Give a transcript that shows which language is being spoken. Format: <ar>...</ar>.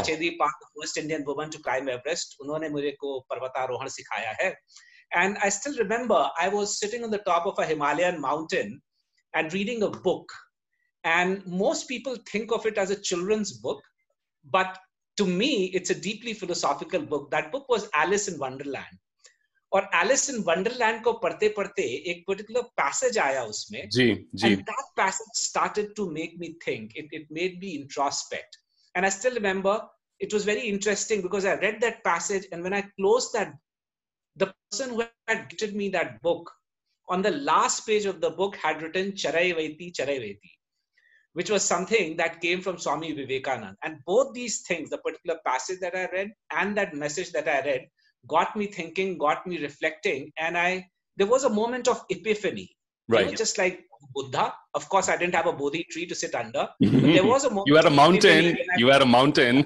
<en>Bachendri Pal, the first Indian woman to climb Everest.</en> <hi>Unhone mujhe ko parvatarohan sikhaya hai.</hi> <en>And I still remember, I was sitting on the top of a Himalayan mountain and reading a book. And most people think of it as a children's book, but to me, it's a deeply philosophical book. That book was Alice in Wonderland.</en> <hi>और Alice in Wonderland को पढ़ते पढ़ते एक particular passage आया उसमें जी जी</hi> <en>And that passage started to make me think it made me introspect and I still remember it was very interesting because I read that passage and when I close that the person who had given me that book on the last page of the book had written चरैवेति which was something that came from Swami Vivekananda. And both these things, the particular passage that I read and that message that I read, got me thinking, got me reflecting. And there was a moment of epiphany. Right. You know, just like Buddha. Of course, I didn't have a Bodhi tree to sit under. But there was a moment you had a mountain. You had a mountain.</en>